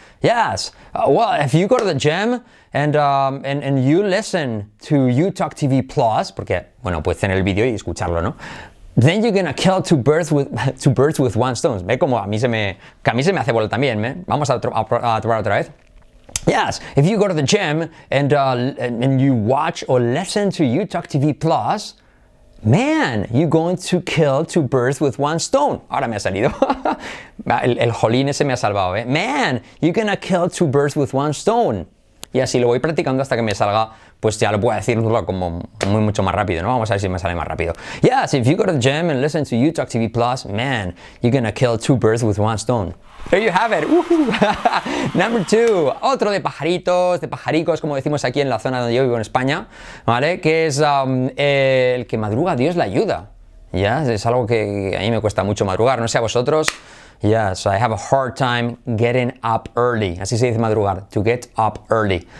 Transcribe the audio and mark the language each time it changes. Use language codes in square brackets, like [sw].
[en] Yes. Well, if you go to the gym and you listen to YouTalk TV Plus, [es] porque, bueno, puedes tener el vídeo y escucharlo, ¿no? [en] Then you're gonna kill 2 birds with 1 stone. [es] Ve como a mí se me hace bola también, ¿eh? Vamos a probar otra vez. [en] Yes, if you go to the gym and you watch or listen to YouTalk TV Plus, man, you're going to kill 2 birds with 1 stone. [es] Ahora me ha salido. el jolín ese me ha salvado, ¿eh? [en] Man, you're gonna kill 2 birds with 1 stone. [es] Y así lo voy practicando hasta que me salga, pues ya lo puedo decir como muy mucho más rápido, ¿no? Vamos a ver si me sale más rápido. [en] Yes, if you go to the gym and listen to YouTalk TV Plus, man, you're gonna kill 2 birds with 1 stone. There you have it. Number 2. [es] Otro de pajaritos, de pajaricos, como decimos aquí en la zona donde yo vivo en España, ¿vale? Que es el que madruga, Dios le ayuda. Yes, es algo que a mí me cuesta mucho madrugar, no sé a vosotros. [en] Yes, I have a hard time getting up early. [es] Así se dice madrugar, [en] to get up early.